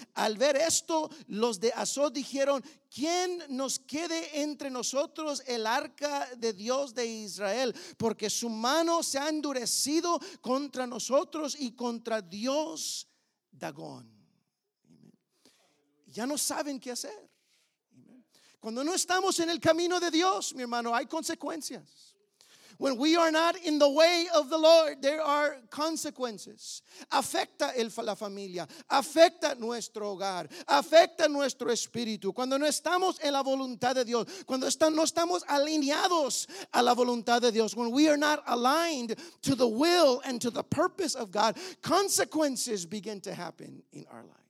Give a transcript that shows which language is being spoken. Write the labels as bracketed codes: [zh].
[es] Al ver esto, los de Asod dijeron: ¿quién nos quede entre nosotros el arca de Dios de Israel? Porque su mano se ha endurecido contra nosotros y contra Dios Dagón. Ya no saben qué hacer. Cuando no estamos en el camino de Dios, mi hermano, hay consecuencias. [en] When we are not in the way of the Lord, there are consequences. [es] Afecta la familia, afecta nuestro hogar, afecta nuestro espíritu. Cuando no estamos en la voluntad de Dios, [en] cuando no estamos alineados a la voluntad de Dios, when we are not aligned to the will and to the purpose of God, consequences begin to happen in our life.